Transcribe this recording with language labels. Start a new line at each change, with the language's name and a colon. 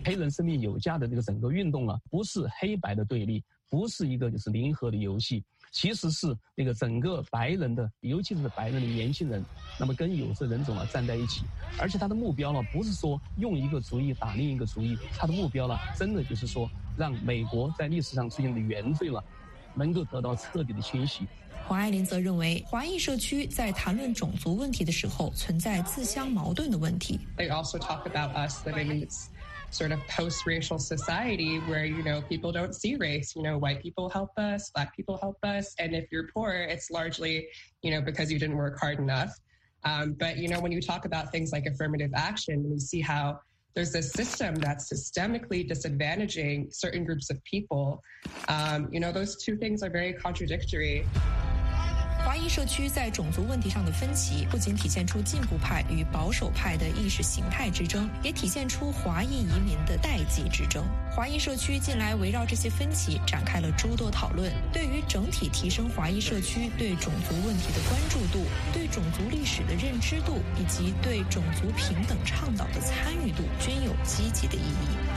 Chinese: 黑人胜利有家的这个整个运动啊，不是黑白的对立，不是一个就是零和的游戏，其实是那个整个白人的，尤其是白人的年轻人，那么跟有色人种啊站在一起，而且他的目标呢，不是说用一个族裔打另一个族裔，他的目标呢，真的就是说让美国在历史上出现的原罪了，能够得到彻底的清洗。黄爱琳则认为，华裔社区在谈论种族问题的时候，存在自相矛盾的问题。
English: They also talk about us living in this sort of post-racial society where, you know, people don't see race. You know, white people help us, black people help us, and if you're poor, it's largely, you know, because you didn't work hard enough. But you know, when you talk about things like affirmative action, we see how. There's this system that's systemically disadvantaging certain groups of people. You know, those two things are very contradictory.
Chinese: 华裔社区在种族问题上的分歧不仅体现出进步派与保守派的意识形态之争，也体现出华裔移民的代际之争。华裔社区近来围绕这些分歧展开了诸多讨论，对于整体提升华裔社区对种族问题的关注度、对种族历史的认知度以及对种族平等倡导的参与度均有积极的意义。